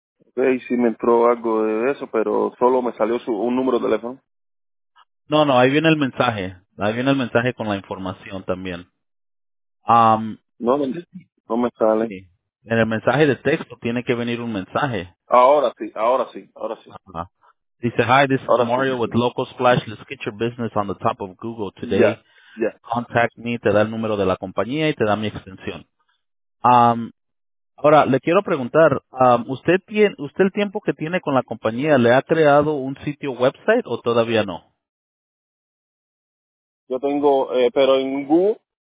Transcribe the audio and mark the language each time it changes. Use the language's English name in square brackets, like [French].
[Spanish] Okay, sí me entró algo de eso, pero solo me salió un número de teléfono. No, ahí viene el mensaje. Ahí viene el mensaje con la información también. No me sale. Sí. En el mensaje de texto tiene que venir un mensaje. Ahora sí. Uh-huh. Dice, [English] hi, this is Mario with Local Splash. Let's get your business on the top of Google today. Yeah. [Spanish] Contact me, te da el número de la compañía y te da mi extensión. Ahora, le quiero preguntar, ¿usted el tiempo que tiene con la compañía, le ha creado un sitio website o todavía no? Yo tengo, pero en Google.